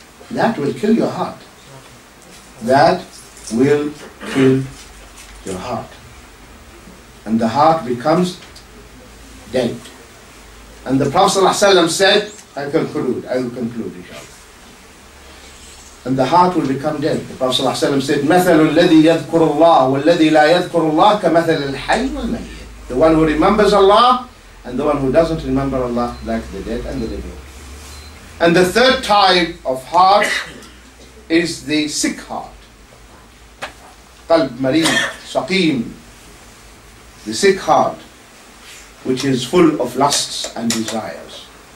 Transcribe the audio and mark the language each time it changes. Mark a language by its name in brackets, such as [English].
[English] That will kill your heart. That will kill your heart. And the heart becomes dead. And the Prophet ﷺ said, I will conclude, inshallah. And the heart will become dead. The Prophet ﷺ said, [Arabic] مَثَلُ الَّذِي يَذْكُرُ اللَّهُ وَالَّذِي لَا يَذْكُرُ اللَّهُ كَمَثَلِ الْحَيِّ وَالْمَيِّتِ. [English] The one who remembers Allah and the one who doesn't remember Allah, like the dead and the living. And the third type of heart is the sick heart. Qalb marid, saqim. The sick heart, which is full of lusts and desires.